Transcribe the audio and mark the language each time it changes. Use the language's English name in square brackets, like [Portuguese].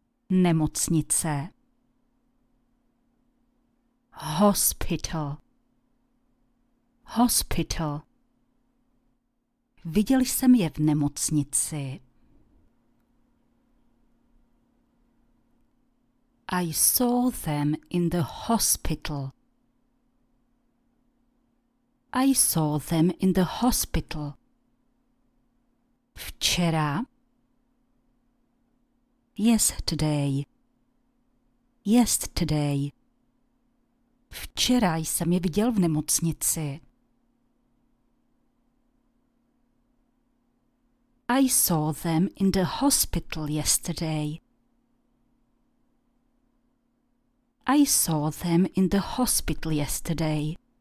[Czech] Nemocnice. [English] Hospital. Hospital. [Czech] Viděl jsem je v nemocnici. [English] I saw them in the hospital. I saw them in the hospital. [Czech] Včera. [English] Yesterday. Yesterday. [Czech] Včera jsem je viděl v nemocnici. [English] I saw them in the hospital yesterday. I saw them in the hospital yesterday.